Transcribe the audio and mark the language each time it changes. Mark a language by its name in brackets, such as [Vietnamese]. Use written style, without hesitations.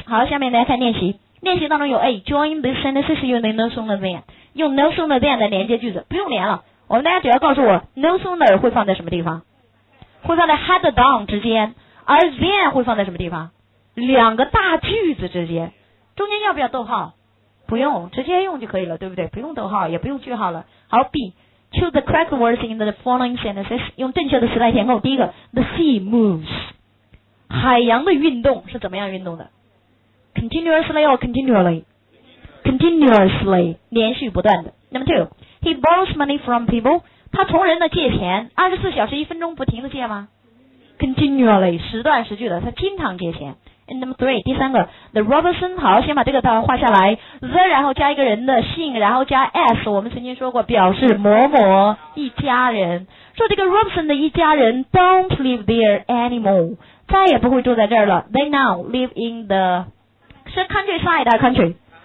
[Chinese] 好，下面来看练习，练习当中有 A， [English] join the sentences using no sooner than， [Chinese] 用 no sooner than 来连接句子，不用连了，我们大家只要告诉我 no sooner 会放在什么地方，会放在 had done 之间，而 then 会放在什么地方，两个大句子之间，中间要不要逗号？不用，直接用就可以了，对不对？不用逗号也不用句号了。好， B， [English] choose the correct words in the following sentences， [Chinese] 用正确的词来填空。第一个 [English] the sea moves， [Chinese] 海洋的运动是怎么样运动的？ [English] Continuously or continually? [Chinese] Continuously， 连续不断的。 [English] Number two， he borrows money from people， [Chinese] 他从人的借钱，24小时一分钟不停的借吗？ Continually， 时断时续的，他经常借钱。And number three， 第三个 the Robertson， 好，先把这个画下来， the 然后加一个人的姓，然后加 s， 我们曾经说过表示某某一家人，说这个 Robertson 的一家人 [English] don't live there anymore， [Chinese] 再也不会住在这儿了， they now live in the，是 countryside 还是 country？